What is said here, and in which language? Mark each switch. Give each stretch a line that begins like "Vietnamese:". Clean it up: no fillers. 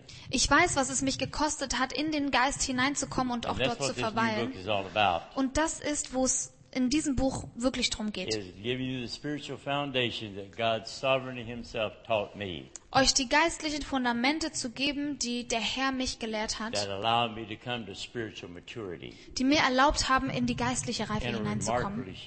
German: Ich weiß, was es mich gekostet hat, in den Geist hineinzukommen und auch dort zu verweilen. Und das ist, wo es in diesem Buch wirklich drum geht.
English: Is give you the spiritual foundation that God's sovereignty himself taught me.
German: Euch die geistlichen Fundamente zu geben, die der Herr mich gelehrt hat,
English: that allowed me to come to spiritual maturity.
German: Die mir erlaubt haben, in die geistliche Reife hineinzukommen.